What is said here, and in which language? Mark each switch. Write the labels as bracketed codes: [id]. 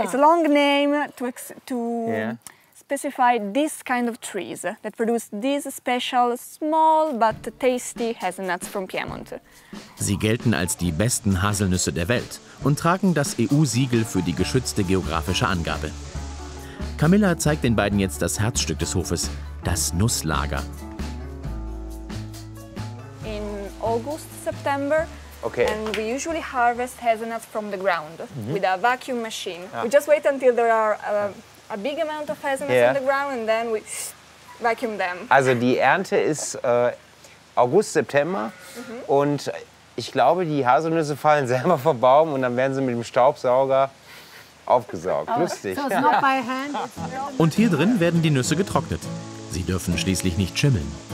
[en] It's a long name to specify this kind of trees that produce these special small but tasty hazelnuts from Piemont. [de] Sie gelten als die besten Haselnüsse der Welt und tragen das EU-Siegel für die geschützte geografische Angabe. Camilla zeigt den beiden jetzt das Herzstück des Hofes, das Nusslager. [en] In August, September. Okay. And we usually harvest hazelnuts from the ground with a vacuum machine. Ah. We just wait until there are a big amount of hazelnuts on the ground and then we vacuum them. [de] Also die Ernte ist August, September und ich glaube, die Haselnüsse fallen selber vom Baum und dann werden sie mit dem Staubsauger aufgesaugt. Lustig. [en] So it's not by hand. [de] Und hier drin werden die Nüsse getrocknet. Sie dürfen schließlich nicht schimmeln.